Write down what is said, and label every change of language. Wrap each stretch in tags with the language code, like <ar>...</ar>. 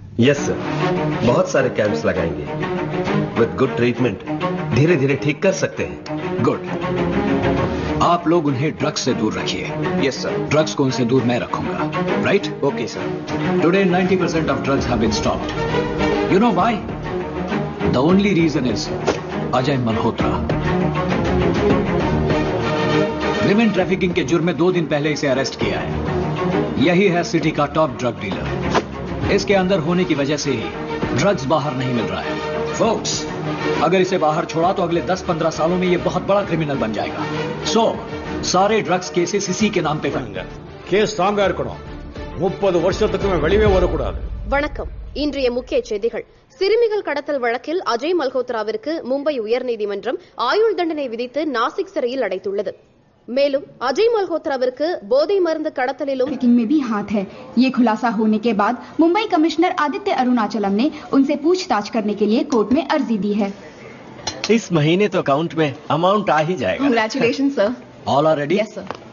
<hi>Yes sir, बहुत सारे camps लगाएंगे,</hi> <en>with good treatment</en> <hi>धीरे धीरे ठीक कर सकते हैं। गुड, आप लोग उन्हें ड्रग्स से दूर रखिए।</hi> <en>Yes sir.</en> <hi>ड्रग्स को उनसे दूर मैं रखूंगा।</hi> <en>Right, okay sir. Today 90% of drugs have been stopped. You know why? The only reason is Ajay Malhotra. Women trafficking</en> <hi>के जुर्म में दो दिन पहले इसे अरेस्ट किया है। यही है सिटी का टॉप ड्रग डीलर। इसके अंदर होने की वजह से ही ड्रग्स बाहर नहीं मिल रहा है। Folks, अगर इसे बाहर छोड़ा तो अगले 10-15 सालों में यह बहुत बड़ा क्रिमिनल बन जाएगा। So, सारे ड्रग्स केसेस इसी के नाम पे करेंगे। केस सामने रखना।</hi> <ta>30 வருஷத்துக்கு மேல் வெளியவே வரக்கூடாது। வணக்கம், இன்றைய முக்கிய செய்திகள். சிறுமிகள் கடத்தல் வழக்கில் அஜய் மல்கோத்ராவிற்கு மும்பை உயர்நீதிமன்றம் ஆயுள் தண்டனை விதித்து நாசிக் சிறையில் அடைத்துள்ளது. மேலும் அஜய் மல்கோத்ராவிற்கு போதை மருந்து கடத்தலிலும்</ta> <hi>खुलासा होने के बाद मुंबई कमिश्नर आदित्य अरुणाचलम ने उनसे पूछताछ करने के लिए कोर्ट में अर्जी दी है। इस महीने तो अकाउंट में अमाउंट आ ही जाएगा।</hi> <en>Congratulation sir. All are ready? Yes sir.</en>